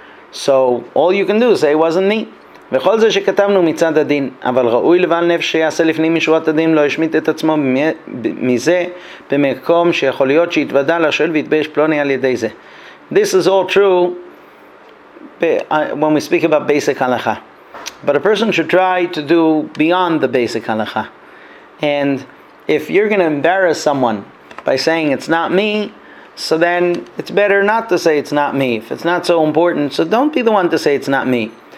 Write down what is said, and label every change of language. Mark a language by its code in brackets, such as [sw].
[en] So all you can do is say it wasn't me. [he] וכל זה שכתבנו מצד הדין, אבל ראוי לבעל נפש שיעשה לפני משורת הדין, לא ישמיט את עצמו מזה במקום שיכול להיות שהתוודע לשואל והתבייש פלוני על ידי זה. [en] This is all true. When we speak about basic halakha, but a person should try to do beyond the basic halakha. And if you're going to embarrass someone by saying it's not me, so then it's better not to say it's not me. If it's not so important, so don't be the one to say it's not me.